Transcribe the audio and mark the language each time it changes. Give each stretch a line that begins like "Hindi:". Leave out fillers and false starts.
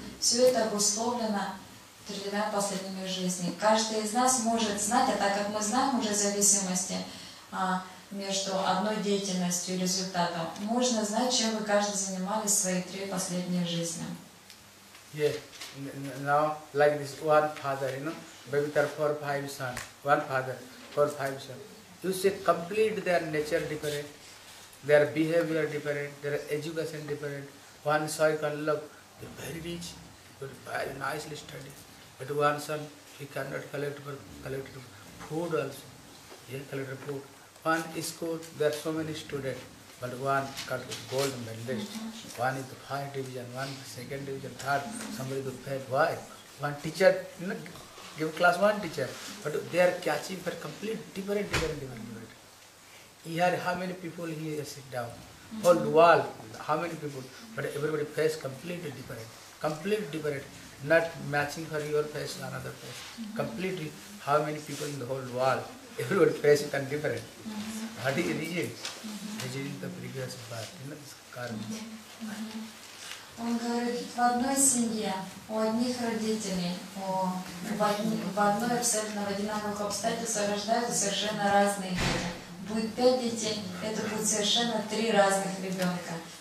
Russian: Все это обусловлено тремя последними жизнями. Каждый из нас может знать, а так как мы знаем уже зависимости, между одной деятельностью и результатом, можно знать, чем вы каждый занимались свои три последние жизни. Yeah.
English: Now, like this one father, you know, maybe there are four, five sons. One father, four, five sons. You see, complete their nature different, their behavior different, their education different. One son can love, very rich, but very nicely studied. But one son, he cannot collect food also. Yeah, collect food. One school, there are so many students, but one got gold medalist. Mm-hmm. One is the first division, one the second division, third, somebody the third. Why? One teacher, you know, give class one teacher, but they are catching for complete different. Here, how many people here sit down? Mm-hmm. Whole wall, how many people? But everybody face completely different. Completely different. Not matching for your face or another face. Mm-hmm. Completely, how many people in the whole wall? Everyone face it and different. What is reason? Reason is the previous part, you know, this karma.
Russian: Он говорит, в одной семье, у одних родителей, в одной абсолютно в одинаковых обстоятельствах рождаются совершенно разные дети. Будет пять детей, это будет совершенно три разных ребенка.